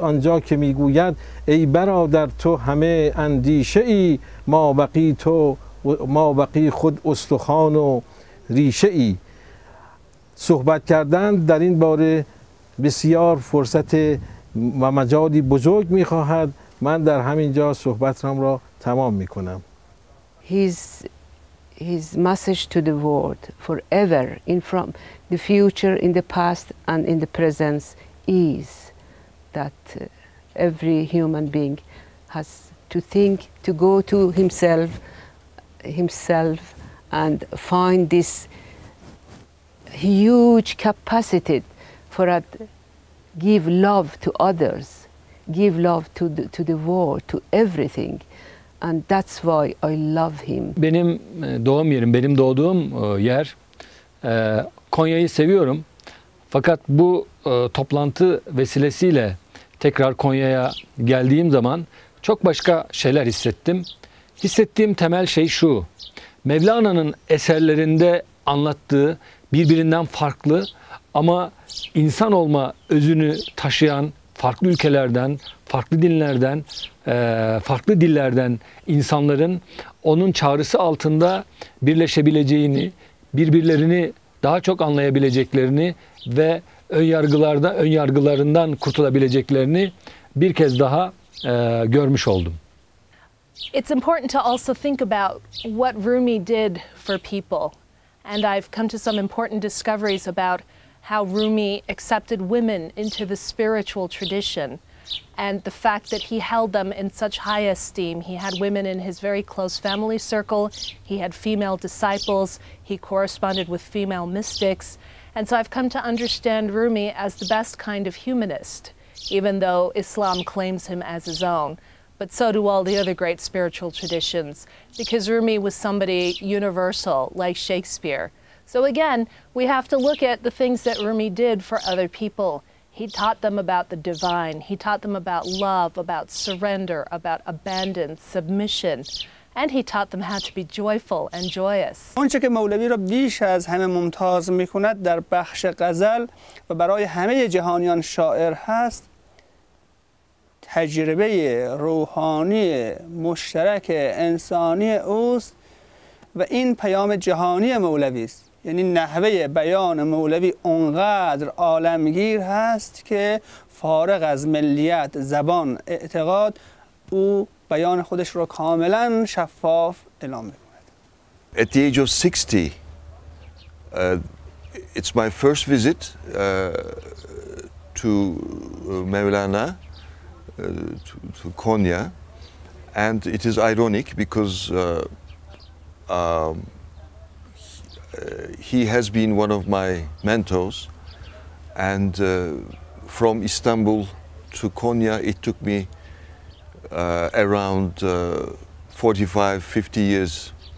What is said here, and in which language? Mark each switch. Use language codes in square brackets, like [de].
[fa] آنجا که می گوید ای برادر تو همه اندیشه ای، ما بقی تو ما بقی خود استخوان و ریشه ای. صحبت کردن در این باره بسیار فرصت و مجالی بزرگ می‌خواهد. من در همین جا صحبتم را تمام می‌کنم. [en] His message to the world forever in from the future, in the past and in the present is that every human being has to think, to go to himself and find this huge capacity for to give love to others, give love to the world, to everything, and that's why I love him. [tr] Benim doğum yerim, benim doğduğum yer Konya'yı seviyorum. Fakat bu toplantı vesilesiyle tekrar Konya'ya geldiğim zaman çok başka şeyler hissettim. Hissettiğim temel şey şu: Mevlana'nın eserlerinde anlattığı birbirinden farklı ama insan olma özünü taşıyan farklı ülkelerden, farklı dinlerden, farklı dillerden insanların onun çağrısı altında birleşebileceğini, birbirlerini daha çok anlayabileceklerini ve önyargılarından kurtulabileceklerini bir kez daha görmüş oldum. [en] It's important to also think about what Rumi did for people. And I've come to some important discoveries about how Rumi accepted women into the spiritual tradition and the fact that he held them in such high esteem. He had women in his very close family circle. He had female disciples. He corresponded with female mystics. And so I've come to understand Rumi as the best kind of humanist, even though Islam claims him as his own. But so do all the other great spiritual traditions, because Rumi was somebody universal, like Shakespeare. So again, we have to look at the things that Rumi did for other people. He taught them about the divine. He taught them about love, about surrender, about abandon, submission. And he taught them how to be joyful and joyous. [fa] اونچه که مولوی را بیش از همه ممتاز می‌کند در بخش غزل و برای همه جهانیان شاعر هست، تجربه روحانی مشترک انسانی اوست و این پیام جهانی مولوی است. یعنی نحوه بیان مولوی اونقدر عالمگیر هست که فارغ از ملیت، زبان، اعتقاد، او بیان خودش رو کاملا شفاف اعلام می‌کند. [en] At the age of 60, it's my first visit to Mevlana. To Konya, and it is ironic because he has been one of my mentors, and from Istanbul to Konya it took me around 45-50 years.